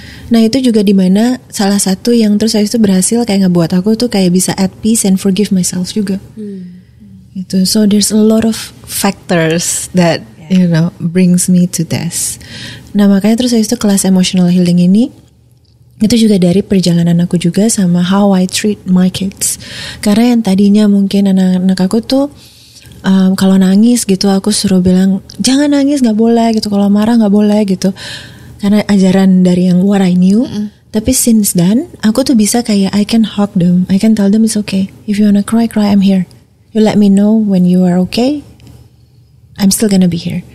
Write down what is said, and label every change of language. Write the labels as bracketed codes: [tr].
[id] Nah itu juga dimana salah satu yang terus habis itu berhasil kayak ngebuat aku tuh kayak bisa [en] at peace and forgive myself [id] juga. Gitu. [en] So there's a lot of factors that you know brings me to this. [id] Nah makanya terus habis itu kelas emotional healing ini, itu juga dari perjalanan aku juga sama [en] how I treat my kids. [id] Karena yang tadinya mungkin anak-anak aku tuh kalau nangis gitu aku suruh bilang jangan nangis, gak boleh gitu. Kalau marah gak boleh gitu. karena ajaran dari yang [en] what I knew. Mm-hmm. [id] Tapi [en] since then, [id] aku tuh bisa kayak [en] I can hug them, I can tell them it's okay. If you wanna cry, cry, I'm here. You let me know when you are okay, I'm still gonna be here.